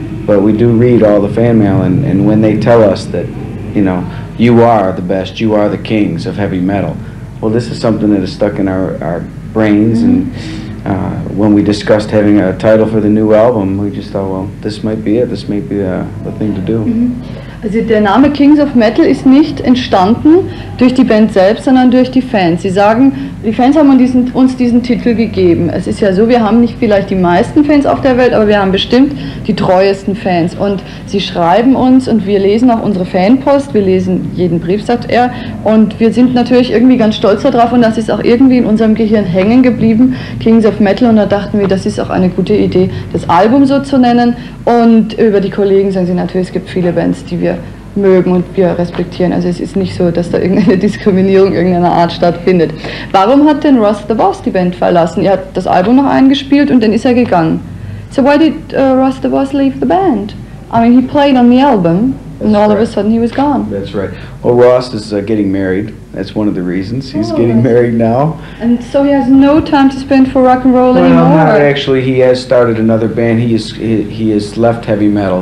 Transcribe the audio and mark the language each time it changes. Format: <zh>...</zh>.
<en>But we do read all the fan mail, and when they tell us that, you know, you are the best, you are the kings of heavy metal. Well, this is something that is stuck in our brains, and when we discussed having a title for the new album, we just thought, well, this might be it, this might be the thing to do. Mm-hmm.</en> <de>Also, der Name Kings of Metal ist nicht entstanden durch die Band selbst, sondern durch die Fans. Sie sagen, die Fans haben uns diesen Titel gegeben. Es ist ja so, wir haben nicht vielleicht die meisten Fans auf der Welt, aber wir haben bestimmt die treuesten Fans. Und sie schreiben uns und wir lesen auch unsere Fanpost. Wir lesen jeden Brief, sagt er. Und wir sind natürlich irgendwie ganz stolz darauf, und das ist auch irgendwie in unserem Gehirn hängen geblieben, Kings of Metal. Und da dachten wir, das ist auch eine gute Idee, das Album so zu nennen. Und über die Kollegen sagen sie natürlich, es gibt viele Bands, die wir mögen und wir respektieren. Also es ist nicht so, dass da irgendeine Diskriminierung irgendeiner Art stattfindet. Warum hat denn Russ the Boss die Band verlassen? Er hat das Album noch eingespielt und dann ist er gegangen.</de> <en>So why did Russ the Boss leave the band? I mean, he played on the album and all of a sudden he was gone. That's right. Well, Russ is getting married. That's one of the reasons. He's getting married now. And so he has no time to spend for rock and roll anymore? No, actually, he has started another band. He has left heavy metal.</en>